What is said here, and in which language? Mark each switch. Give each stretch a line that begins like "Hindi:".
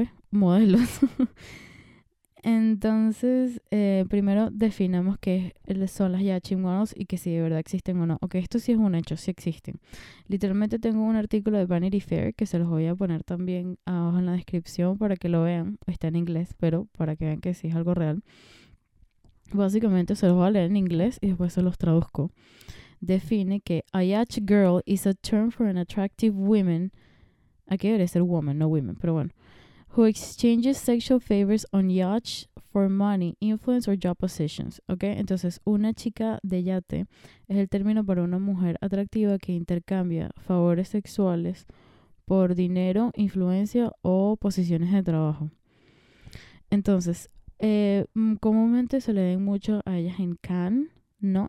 Spanish: modelos. Entonces, primero definamos qué son las Yachi Models y que si de verdad existen o no. Ok, esto sí es un hecho, sí existen. Literalmente tengo un artículo de Vanity Fair que se los voy a poner también abajo en la descripción para que lo vean. Está en inglés, pero para que vean que sí es algo real. Básicamente se los voy a leer en inglés y después se los traduzco. Define que
English: a Yachi Girl is a term for an attractive woman.
Spanish: Aquí debería ser woman, no women, pero bueno.
English: Who exchanges sexual favors on yacht for money, influence or job positions.
Spanish: Okay, entonces una chica de yate es el término para una mujer atractiva que intercambia favores sexuales por dinero, influencia o posiciones de trabajo. Entonces, comúnmente se le den mucho a ellas en Cannes, ¿no?